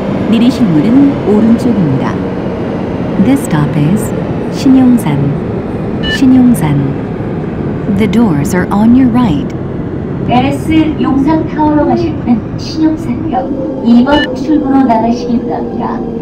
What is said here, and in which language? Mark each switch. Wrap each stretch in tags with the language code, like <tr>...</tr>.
<ko>내리실 문은 오른쪽입니다.</ko> <en>This stop is 신용산. 신용산. The doors are on your right.</en> <ko>LS 용산타워로 가실 분은 신용산역 2번 출구로 나가시기 바랍니다.</ko>